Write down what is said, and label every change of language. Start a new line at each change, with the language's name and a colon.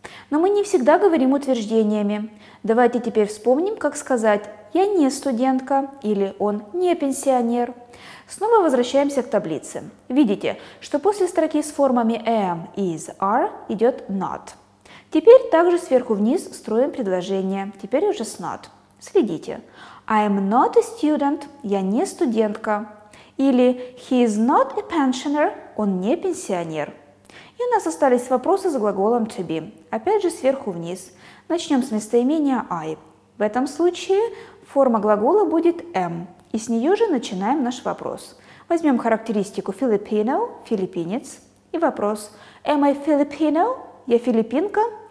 Russian: Но мы не всегда говорим утверждениями. Давайте теперь вспомним, как сказать «я не студентка» или «он не пенсионер». Снова возвращаемся к таблице. Видите, что после строки с формами am, is, are идет not. Теперь также сверху вниз строим предложение. Теперь уже с not. Следите.
English: I am not a student.
Russian: Я не студентка. Или
English: he is not a pensioner,
Russian: он не пенсионер. И у нас остались вопросы с глаголом to be. Опять же сверху вниз. Начнем с местоимения I. В этом случае форма глагола будет am. И с нее же начинаем наш вопрос. Возьмем характеристику Filipino, филиппинец. И вопрос.
English: Am I Filipino?
Russian: Я филиппинка?